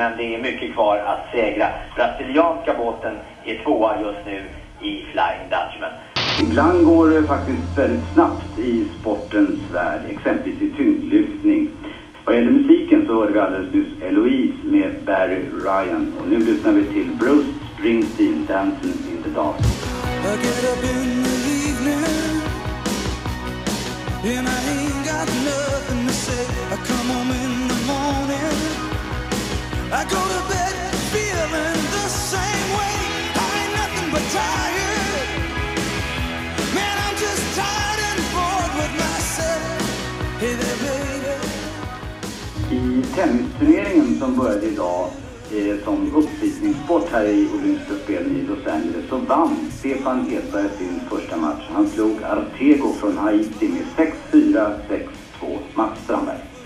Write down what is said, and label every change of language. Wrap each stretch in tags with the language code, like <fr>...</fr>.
<sv>Men det är mycket kvar att segra. Brasilianska båten är tvåa just nu i Flying Dutchman. Ibland går det faktiskt väldigt snabbt i sportens värld, exempelvis i tyngdlyftning. Vad gäller musiken så hörde vi alldeles nyss Eloise med Barry Ryan. Och nu lyssnar vi till Bruce Springsteen, Dancing in the Dark.</sv> <en>I get up in the evening and I ain't got nothing to say. I come home in the morning, I go to bed feeling the same way. I ain't nothing but tired. Man, I'm just tired and bored with myself. Hey there, baby.</en> <sv>I tennisturneringen som började idag som uppvisningssport här i Olympiska spelen i Los Angeles så vann Stefan Edberg sin första match. Han slog Artego från Haiti med 6-4, 6-2, Max Strandberg.</sv>